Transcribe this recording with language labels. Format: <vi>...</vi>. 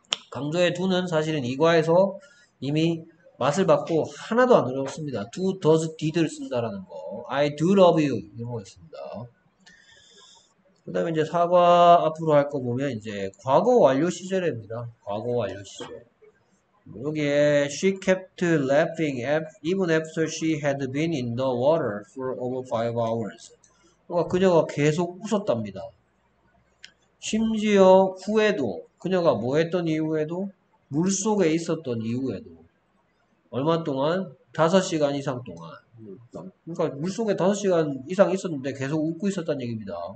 <ko>강조의 두는 사실은 이과에서 이미 맛을 봤고 하나도 안 어렵습니다. do, does, did를 쓴다라는 거.</ko> <en>I do love you</en> <ko>이런 거였습니다. 그 다음에 이제 사과 앞으로 할 거 보면 이제 과거 완료 시제랍니다. 과거 완료 시제.</ko> <en>여기에 She kept laughing even after she had been in the water for over 5 hours.</en> <ko>그러니까 그녀가 계속 웃었답니다. 심지어 후에도 그녀가 뭐 했던 이후에도 물 속에 있었던 이후에도 얼마 동안? 5시간 이상 동안. 그러니까 물속에 5시간 이상 있었는데 계속 웃고 있었다는 얘기입니다.</ko>